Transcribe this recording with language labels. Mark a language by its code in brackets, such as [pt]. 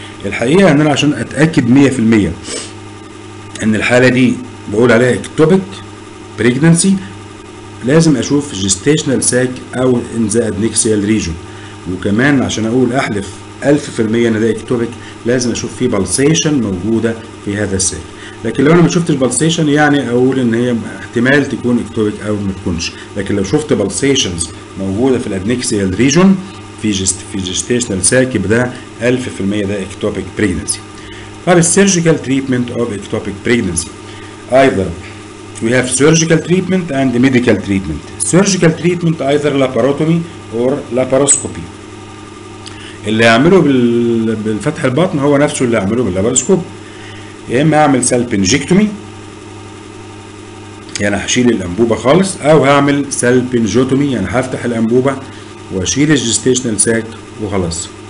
[ar] الحقيقه ان انا عشان اتاكد 100% ان الحاله دي بقول عليها اكتوبيك بريجننسي لازم اشوف جيستيشنال ساك او ان ذا ادنكسيال ريجون، وكمان عشان اقول احلف 1000% ان ده اكتوبيك لازم اشوف فيه بلسيشن موجوده في هذا الساك. لكن لو انا ما شفتش بلسيشن يعني اقول ان هي احتمال تكون اكتوبيك او ما تكونش، لكن لو شفت بلسيشنز موجوده في الادنكسيال ريجون في جيستيشنال ساك يبقى ده 1000% ده اكتوبيك بريجننسي. [en] طب السيرجيكال treatment of ectopic pregnancy, either we have surgical treatment and medical treatment. Surgical treatment either laparotomy or laparoscopy. [ar] اللي هعمله بالفتح البطن هو نفسه اللي هعمله باللابروسكوب. يا اما هعمل سالبنجكتومي يعني هشيل الانبوبه خالص، او هعمل سالبنجوتومي يعني هفتح الانبوبه واشيل الجستيشنال ساك وخلاص.